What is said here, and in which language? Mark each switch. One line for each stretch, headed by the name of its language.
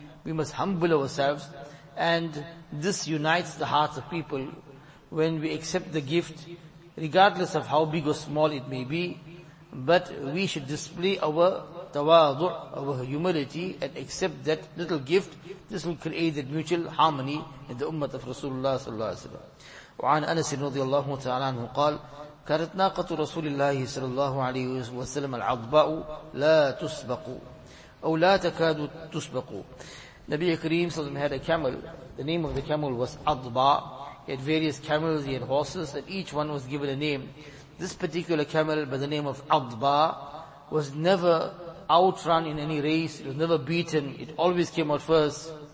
English: We must humble ourselves. And this unites the hearts of people when we accept the gift, regardless of how big or small it may be. But we should display our tawadu', our humility, and accept that little gift. This will create that mutual harmony in the ummah of Rasulullah sallallahu alaihi wasallam.
Arabic: وعن أنس رضي الله تعالى عنه قال: كانت ناقة رسول الله صلى الله عليه وسلم العضباء لا تسبق أو لا تكاد تسبق.
English: Nabi Kareem
Arabic: صلى الله عليه وسلم
English: had a camel. The name of the camel was Adba. He had various camels, he had horses, and each one was given a name. This particular camel by the name of Adba was never outrun in any race. It was never beaten. It always came out first.